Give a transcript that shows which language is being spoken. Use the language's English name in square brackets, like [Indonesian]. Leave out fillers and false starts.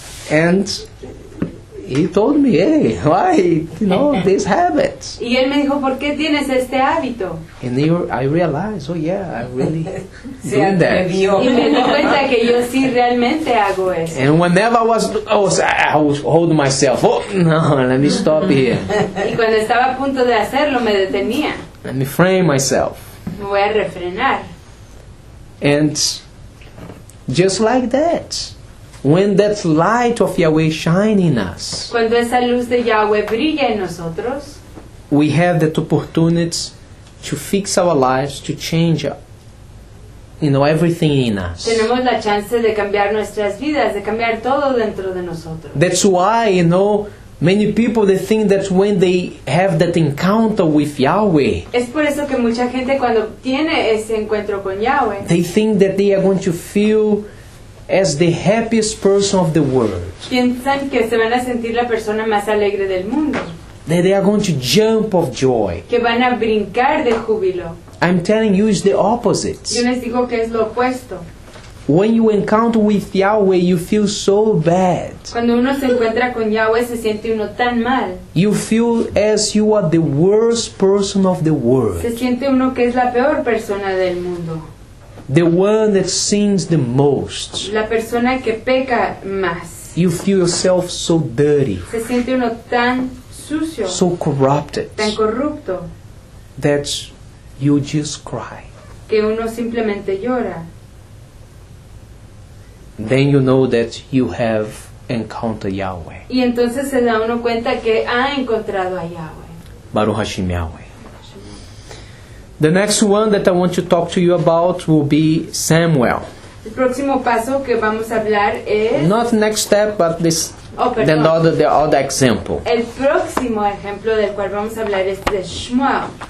[English] And he told me, hey, why, you know, these habits? [Spanish] Y él me dijo, ¿por qué tienes este hábito? [English] And I realized, oh yeah, I really do that. [Spanish] Y me di cuenta que yo sí realmente hago eso. [English] And whenever I was holding myself, oh, no, let me stop here. [Spanish] Y cuando estaba a punto de hacerlo, me detenía. [English] Let me frame myself. [Spanish] Me voy a refrenar. [English] And just like that. When that light of Yahweh shines in us, [Spanish] cuando esa luz de Yahweh brilla en nosotros, [English] we have that opportunity to fix our lives, to change, you know, everything in us. [Spanish] Tenemos la chance de cambiar nuestras vidas, de cambiar todo dentro de nosotros. [English] That's why, you know, many people, they think that when they have that encounter with Yahweh, [Spanish] es por eso que mucha gente cuando tiene ese encuentro con Yahweh, [English] they think that they are going to feel as the happiest person of the world. [Spanish] Piensan que se van a sentir la persona más alegre del mundo. [English] That they are going to jump of joy. [Spanish] Que van a brincar de júbilo. [English] I'm telling you, it's the opposite. [Spanish] Yo les digo que es lo opuesto. [English] When you encounter with Yahweh, you feel so bad. [Spanish] Cuando uno se encuentra con Yahweh, se siente uno tan mal. [English] You feel as you are the worst person of the world. [Spanish] Se siente uno que es la peor persona del mundo. [English] The one that sins the most. [Spanish] La persona que peca más. [English] You feel yourself so dirty. [Spanish] Se siente uno tan sucio. [English] So corrupted. [Spanish] Tan corrupto. [English] That you just cry. [Spanish] Que uno simplemente llora. [English] Then you know that you have encountered Yahweh. [Spanish] Y entonces se da uno cuenta que ha encontrado a Yahweh. [Hebrew] Baruch Hashem Yahweh. [English] The next one that I want to talk to you about will be Samuel. [Spanish] El próximo paso que vamos a hablar es... [English] Not next step, but this... [Spanish] Oh, perdón. [English] The other example. [Spanish] El próximo ejemplo del cual vamos a hablar es de Shmuel.